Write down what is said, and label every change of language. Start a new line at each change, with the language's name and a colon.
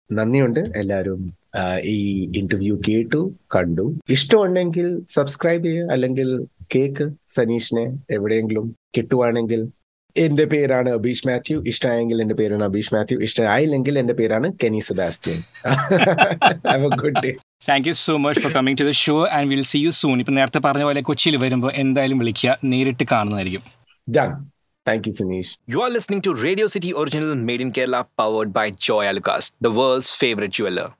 Malayalam: നന്ദിയുണ്ട് എല്ലാവരും ഈ ഇന്റർവ്യൂ കേട്ടു കണ്ടു. ഇഷ്ടമുണ്ടെങ്കിൽ സബ്സ്ക്രൈബ് ചെയ്യുക, അല്ലെങ്കിൽ കേക്ക് സനീഷിനെ എവിടെയെങ്കിലും കിട്ടുവാണെങ്കിൽ. എന്റെ പേരാണ് അബീഷ് മാത്യു. ഇഷ്ടമായെങ്കിൽ എന്റെ പേരാണ് അബീഷ് മാത്യു. ഇഷ്ടമായില്ലെങ്കിൽ എന്റെ പേരാണ് Kenny Sebastian.
English: Have a good day. Thank you so much for coming to the show and we'll see you soon.
Malayalam: ഇപ്പോൾ നേരത്തെ പറഞ്ഞ പോലെ കൊച്ചിയിൽ വരുമ്പോൾ എന്തായാലും വിളിക്കുക, നേരിട്ട് കാണുന്നതായിരിക്കും.
English: Done. Thank you, Sinesh. You are listening to Radio City Original Made in Kerala, powered by Joy Alucas, the world's favorite jeweler.